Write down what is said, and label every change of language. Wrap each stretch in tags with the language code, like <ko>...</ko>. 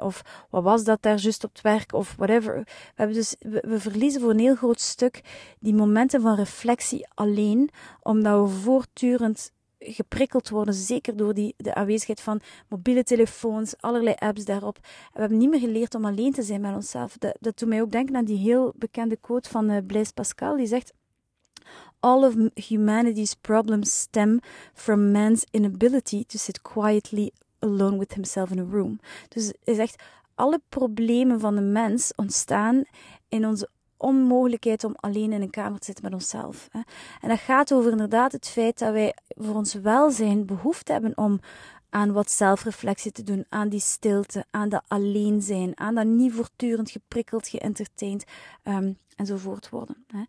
<nl>Of wat was dat daar juist op het werk? Of whatever. We verliezen voor een heel groot stuk die momenten van reflectie alleen. Omdat we voortdurend geprikkeld worden. Zeker door de aanwezigheid van mobiele telefoons, allerlei apps daarop. En we hebben niet meer geleerd om alleen te zijn met onszelf. Dat doet mij ook denken aan die heel bekende quote van Blaise Pascal. Die zegt...</nl> <en>All of humanity's problems stem from man's inability to sit quietly alone with himself in a room.</en> <nl>Dus hij zegt, alle problemen van de mens ontstaan in onze onmogelijkheid om alleen in een kamer te zitten met onszelf. En dat gaat over inderdaad het feit dat wij voor ons welzijn behoefte hebben om aan wat zelfreflectie te doen, aan die stilte, aan dat alleen zijn, aan dat niet voortdurend geprikkeld, geëntertained enzovoort worden.</nl>